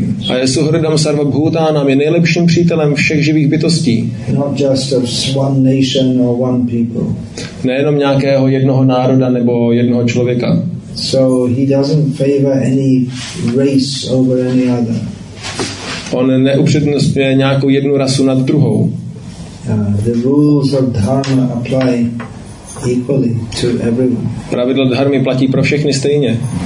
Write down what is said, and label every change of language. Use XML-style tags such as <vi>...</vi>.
<cs>A je Suhridam Sarvabhutanam, je nejlepším přítelem všech živých bytostí.</cs> <en>Not just of one nation or one people.</en> <cs>Nejenom nějakého jednoho národa nebo jednoho člověka.</cs> <en>So he doesn't favor any race over any other.</en> <cs>On neupřednostňuje nějakou jednu rasu nad druhou.</cs> <en>The rules of dharma apply equally to everyone.</en> <cs>Pravidlo dharmy platí pro všechny stejně.</cs>